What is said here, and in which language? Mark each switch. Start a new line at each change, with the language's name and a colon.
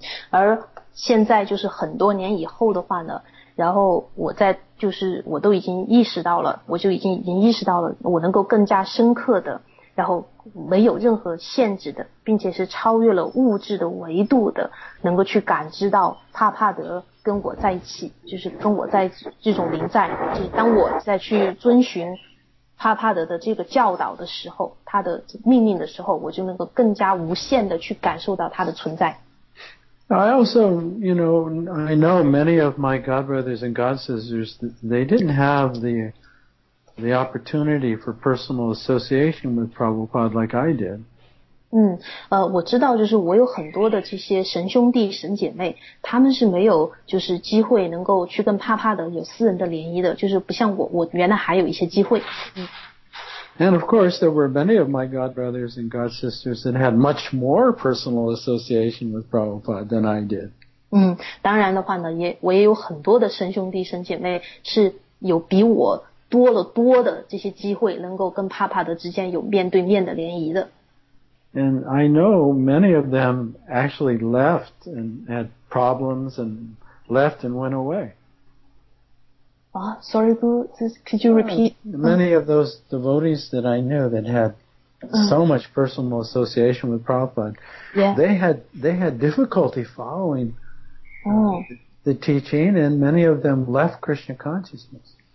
Chinese: 而现在就是很多年以后的话呢，然后我在就是我都已经意识到了，我就已经意识到了，我能够更加深刻的，然后没有任何限制的，并且是超越了物质的维度的，能够去感知到帕帕德跟我在一起，就是跟我在这种临在，就是当我在去遵循帕帕德的这个教导的时候，他的命令的时候，我就能够更加无限的去感受到他的存在。
English: I also, you know, I know many of my godbrothers and godsisters, they didn't have the opportunity for personal association with Prabhupada like I did.
Chinese: 我知道就是我有很多的这些神兄弟、神姐妹，他们是没有就是机会能够去跟帕帕的有私人的联谊的，就是不像我原来还有一些机会。
English: And of course, there were many of my godbrothers and godsisters that had much more personal association with Prabhupada than I did.
Chinese: 当然的话呢，我也有很多的神兄弟、神姐妹是有比我多了多的这些机会，能够跟帕帕德之间有面对面的联谊的。
English: And I know many of them actually left and had problems and left and went away. Oh, sorry, could you repeat? Many of those devotees that I knew that had so much personal association with Prabhupada, they had difficulty following the teaching, and many of them left Krishna consciousness.